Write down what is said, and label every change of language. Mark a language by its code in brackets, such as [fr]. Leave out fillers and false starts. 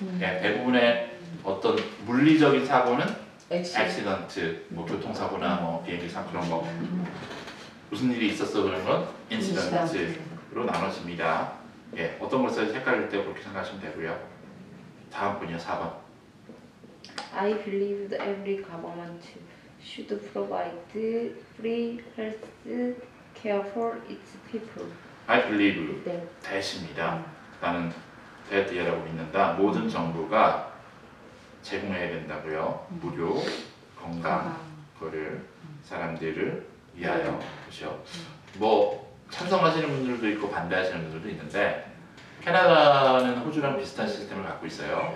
[ko] 예, 대부분의 어떤 물리적인 사고는 accident. 뭐 교통사고나 뭐 비행기 사고 그런 거. 무슨 일이 있었어 그런 건 incident로 나눠집니다. 예, 어떤 것을 헷갈릴 때 그렇게 생각하시면 되고요. 다음 분이요, 4번. [en] I believe that every government should provide free health care for its people. I believe 네. that입니다. [ko] 나는 that이라고 믿는다. 모든 정부가 제공해야 된다고요. 무료 건강을 사람들을 위하여 그렇죠. 뭐 찬성하시는 분들도 있고 반대하시는 분들도 있는데 캐나다는 호주랑 비슷한 시스템을 갖고 있어요.